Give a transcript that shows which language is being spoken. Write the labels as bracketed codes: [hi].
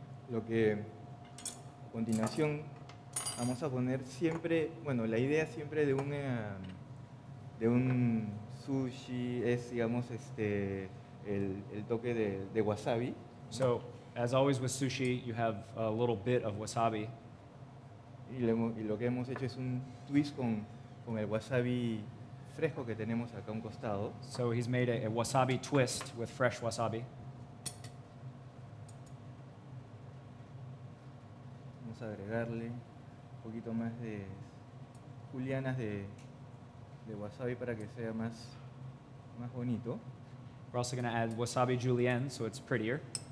[es] Lo que a continuación vamos a poner siempre, bueno, la idea siempre de un sushi es, digamos, el toque de wasabi. [en] So, as always with sushi, you have a little bit of wasabi. [es] Y lo que hemos hecho es un twist con el wasabi fresco que tenemos acá a un costado. [en] So he's made a wasabi twist with fresh wasabi. [es] Vamos a agregarle un poquito más de julianas de wasabi para que sea más bonito. [en] We're also going to add wasabi julienne so it's prettier.